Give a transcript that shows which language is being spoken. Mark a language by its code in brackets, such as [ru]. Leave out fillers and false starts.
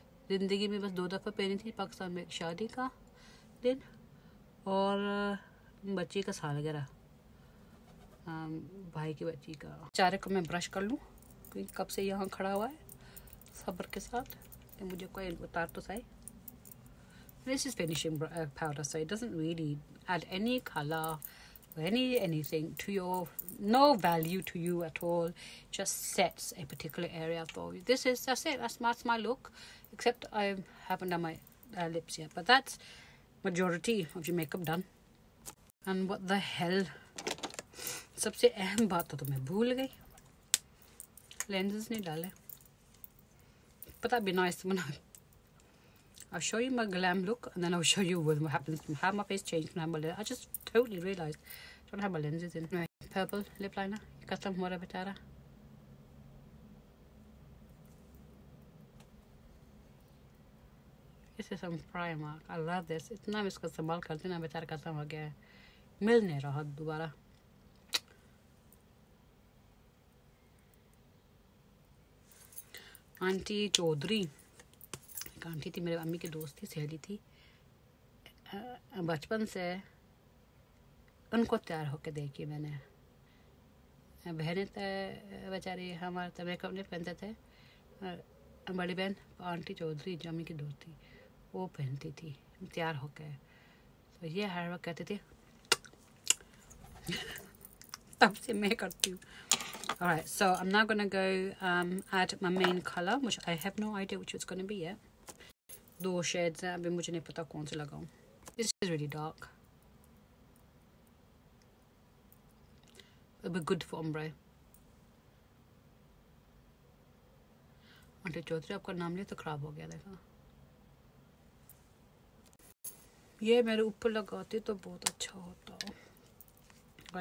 [hi] ज़िंदगी में बस दो दफ़ा पहनी थी पाकिस्तान में, शादी का दिन और बच्ची का सालगिरह, भाई की बच्ची का. चारे को मैं ब्रश कर लूँ क्योंकि कब से यहाँ खड़ा हुआ है सब्र के साथ. मुझे कोई उतार तो सही. [en] This is finishing powder, so it doesn't really add any color or anything to your, no value to you at all. Just sets a particular area for you. This is, that's it, that's my look. Except I haven't done my lips yet, but that's majority of your makeup done. And what the hell? [hi] सबसे अहम बात तो मैं भूल गई. [en] Lenses [hi] नहीं डाले. पता भी ना इसमें ना. [en] I'll show you my glam look and then I'll show you what happens. I have my face changed and I have my lens. I just totally realized I don't have my lenses in. My purple lip liner. Custom Mora Vitara. This is some Primark. I love this. It's not just custom Mora Vitara. It's not just custom Mora Vitara. [hi] Mil nahi raha dobara. Aunty Chaudhary. Aunty थी मेरे mummy की दोस्त थी सहेली थी बचपन से. उनको तैयार होकर देखी मैंने. बहनें तो बेचारी हमारे तो मेकअप नहीं पहनते थे. बड़ी बहन आंटी चौधरी जो मम्मी की दोस्त थी वो पहनती थी तैयार होकर. तो ये हर वक्त कहते थे तब से मैं करती हूँ. [en] Alright, so I'm now gonna go add my main color, which I have no idea which it's gonna be yet. [hi] दो शेड्स हैं अभी मुझे नहीं पता कौन से लगाऊं. [en] This is really dark. It will be good for ombre. [hi] Aunty Chaudhary आपका नाम लिया तो खराब हो गया. देखा ये मेरे ऊपर लगाती तो बहुत अच्छा होता.